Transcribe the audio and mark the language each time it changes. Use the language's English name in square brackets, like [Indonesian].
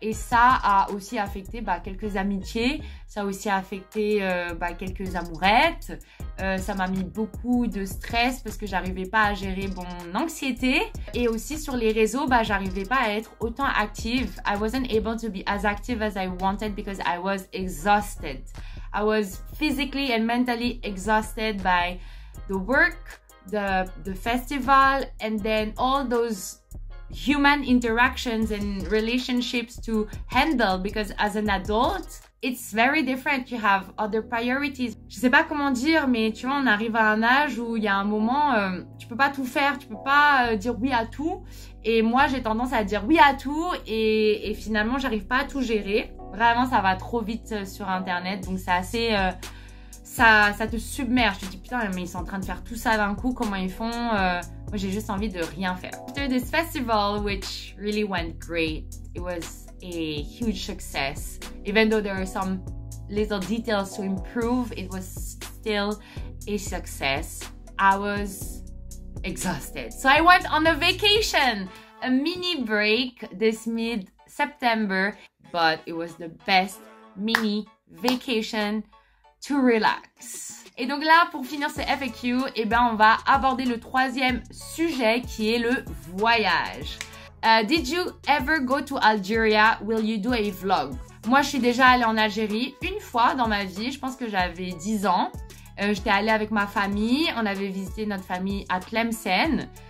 [French] Et ça a aussi affecté quelques amitiés. Ça a aussi affecté quelques amourettes. Ça m'a mis beaucoup de stress parce que j'arrivais pas à gérer mon anxiété. Et aussi sur les réseaux, j'arrivais pas à être autant active. [English] I wasn't able to be as active as I wanted because I was exhausted. I was physically and mentally exhausted by the work, the festival, and then all those human interactions and relationships to handle, because as an adult, it's very different. You have other priorities. [French] Je sais pas comment dire, mais tu vois, on arrive à un âge où il y a un moment, tu peux pas tout faire, tu peux pas dire oui à tout. Et moi, j'ai tendance à dire oui à tout et finalement, j'arrive pas à tout gérer. Vraiment, ça va trop vite sur Internet, donc c'est assez... Ça te submerge, tu te dis putain mais ils sont en train de faire tout ça d'un coup, comment ils font, moi j'ai juste envie de rien faire. [English] After this festival, which really went great, it was a huge success, even though there are some little details to improve, it was still a success. I was exhausted, so I went on a vacation, a mini break this mid-September, but it was the best mini vacation to relax. [French] Et donc là, pour finir ce FAQ, on va aborder le troisième sujet qui est le voyage. [English] Did you ever go to Algeria? Will you do a vlog? [French] Moi, je suis déjà allée en Algérie une fois dans ma vie. Je pense que j'avais 10 ans. J'étais allée avec ma famille. On avait visité notre famille à Tlemcen.